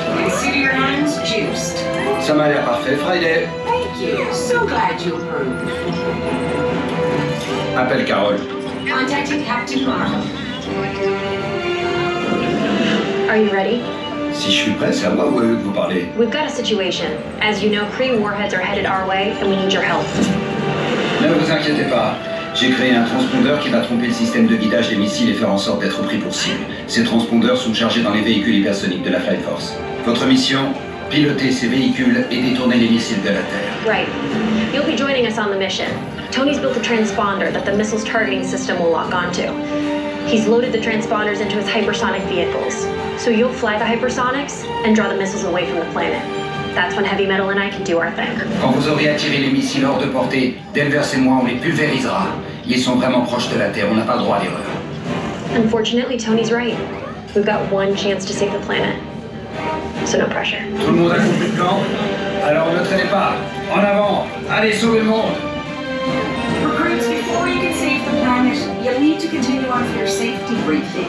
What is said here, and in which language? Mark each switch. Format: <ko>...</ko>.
<en>Consider your hands juiced.</en> <fr>Ça m'a l'air parfait, Friday.</fr> <en>Thank you. So glad you approve.</en> <fr>Appelle Carol.</fr> <en>Contacting Captain Marvel. Are you ready?</en> <fr>Si je suis prêt, c'est à moi ou à eux de vous parler?</fr> <en>We've got a situation. As you know, Kree warheads are headed our way, and we need your help.</en> <fr>Ne vous inquiétez pas. J'ai créé un transpondeur qui va tromper le système de guidage des missiles et faire en sorte d'être pris pour cible. Ces transpondeurs sont chargés dans les véhicules hypersoniques de la Flight Force. Votre mission? Piloter ces véhicules et détourner les missiles de la Terre.</fr> <en>Right. You'll be joining us on the mission. Tony's built a transponder that the missile's targeting system will lock onto. He's loaded the transponders into his hypersonic vehicles. So you'll fly the hypersonics and draw the missiles away from the planet. That's when Heavy Metal and I can do our thing.</en> <fr>Quand vous aurez attiré les missiles hors de portée, Danvers et moi, on les pulvérisera. Ils sont vraiment proches de la Terre, on n'a pas le droit à l'erreur.</fr> <en>Unfortunately, Tony's right. We've got one chance to save the planet. So no pressure.</en> <fr>Tout le monde a compris le plan? Alors ne traînez pas. En avant. Allez, sauvez le monde.</fr> <en>You'll need to continue on for your safety briefing.</en>